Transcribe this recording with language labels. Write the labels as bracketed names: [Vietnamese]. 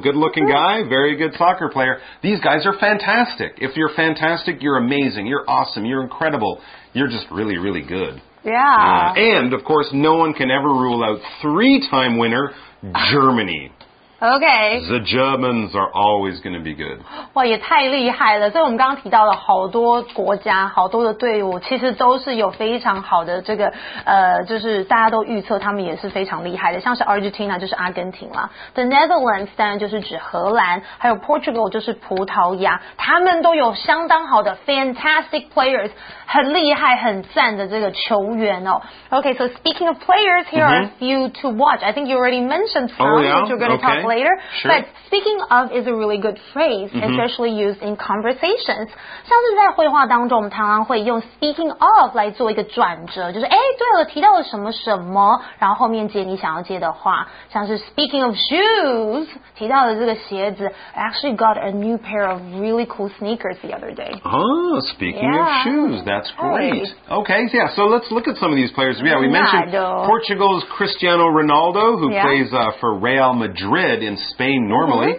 [English] Good-looking guy, very good soccer player. These guys are fantastic. If you're fantastic, you're amazing. You're awesome. You're incredible. You're just really, really good. Yeah. And, of course, no one can ever rule out 3-time winner, Germany. Okay. The Germans are always going to be good. [Chinese] 哇，也太厉害了！所以我们刚刚提到了好多国家，好多的队伍，其实都是有非常好的这个就是大家都预测他们也是非常厉害的。像是 Argentina 就是阿根廷啦 ，The Netherlands 当然就是指荷兰，还有 Portugal 就是葡萄牙，他们都有相当好的 fantastic players， 很厉害、很赞的这个球员哦。 [English] Okay, so speaking of players, here、 mm-hmm. are a few to watch. I think you already mentioned some. Oh, yeah. Which you're gonna okay. Later, sure. But speaking of is a really good phrase,、 mm-hmm. especially used in conversations. [Chinese] 像是在绘画当中，我们常常会用 speaking of 来做一个转折，就是哎，对了，提到了什么什么，然后后面接你想要接的话。像是 [English] speaking of shoes, [Chinese] 提到了这个鞋子。 [English] I actually got a new pair of really cool sneakers the other day. Oh, speaking、 yeah. of shoes, that's great.、 Hey. Okay, yeah. So let's look at some of these players. Yeah, we mentioned Portugal's Cristiano Ronaldo, who、 yeah. plays、for Real Madrid. In Spain normally,、